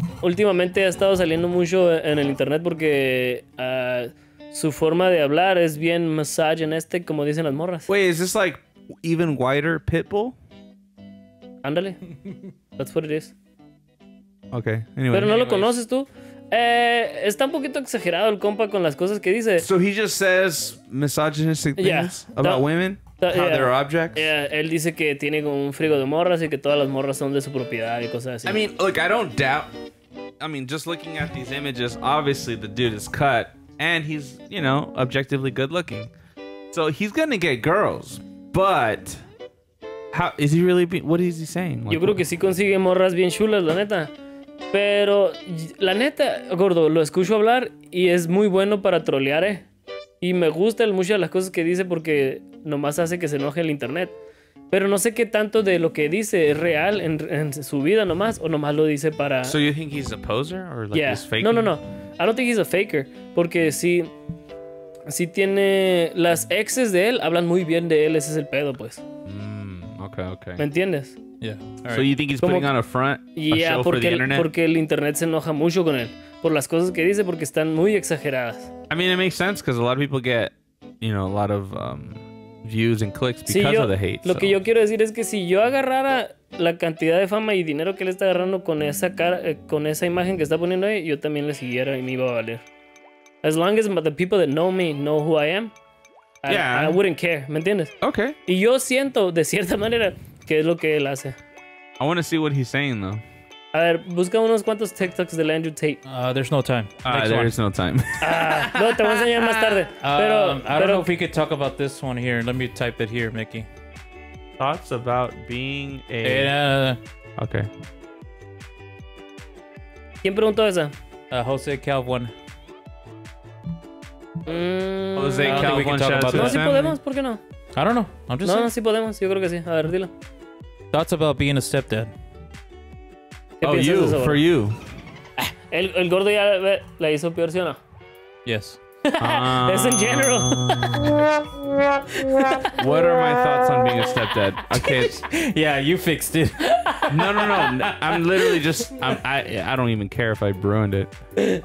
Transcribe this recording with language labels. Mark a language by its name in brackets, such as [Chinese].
[Spanish] últimamente ha estado saliendo mucho en el internet porque su forma de hablar es bien misogynistic, como dicen las morras. [English] Wait, is this like even whiter Pitbull? [Spanish] Ándale. [English] That's what it is. Okay, anyway. [Spanish] Pero no [English] anyways. [Spanish] Lo conoces tú. Está un poquito exagerado el compa con las cosas que dice. [English] So he just says misogynistic things about women, how they're objects. [Spanish] Yeah, él dice que tiene como un frigo de morras y que todas las morras son de su propiedad y cosas así. [English] I mean, look, I don't doubt. I mean, just looking at these images, obviously the dude is cut and he's, you know, objectively good looking. So he's gonna get girls, but how is he really? What is he saying? [Spanish] Like, yo creo que sí consigue morras bien chulas, la neta. Pero, la neta, gordo, lo escucho hablar y es muy bueno para trolear, Y me gusta muchas de las cosas que dice porque nomás hace que se enoje el internet. Pero no sé qué tanto de lo que dice es real en su vida nomás, o nomás lo dice para... [English] So you think he's a poser? Or like yeah. He's faking? No. I don't think he's a faker. [Spanish] Porque sí tiene... Las exes de él hablan muy bien de él, ese es el pedo, pues. [English] Okay. [Spanish] ¿Me entiendes? [English] Yeah. All right. So you think he's putting on a front? Yeah, a show for the internet? [Spanish] Porque el internet se enoja mucho con él por las cosas que dice porque están muy exageradas. [English] I mean, it makes sense because a lot of people get, you know, a lot of views and clicks because [Spanish] si yo, [English] of the hate. [Spanish] Lo [English] so. [Spanish] Que yo quiero decir es que si yo agarrara la cantidad de fama y dinero que él está agarrando con esa cara, con esa imagen que está poniendo ahí, yo también le siguiera y me iba a valer. [English] As long as the people that know me know who I am, I wouldn't care. [Spanish] ¿Me entiendes? [English] Okay. [Spanish] Y yo siento de cierta manera. ¿Qué es lo que él hace? [English] I want to see what he's saying, though. [Spanish] A ver, busca unos cuantos TikToks de Andrew Tate. [English] There's no time. There is no time. [Spanish] No, te voy a enseñar más tarde. [English] I don't know if we could talk about this one here. Let me type it here, Mickey. Thoughts about being a... Okay. [Spanish] ¿Quién preguntó esa? [English] Jose Calv 1. Jose Calv 1. [Spanish] No, si podemos, ¿por qué no? [English] I don't know. I'm just saying. [Spanish] No, sí podemos. Yo creo que sí. A ver, dilo. [English] Thoughts about being a stepdad. Oh, you. For you. [Spanish] El gordo ya la hizo peor, ¿sí o no? [English] Yes. That's in general. What are my thoughts on being a stepdad? Okay. Yeah, you fixed it. No. I don't even care if I ruined it.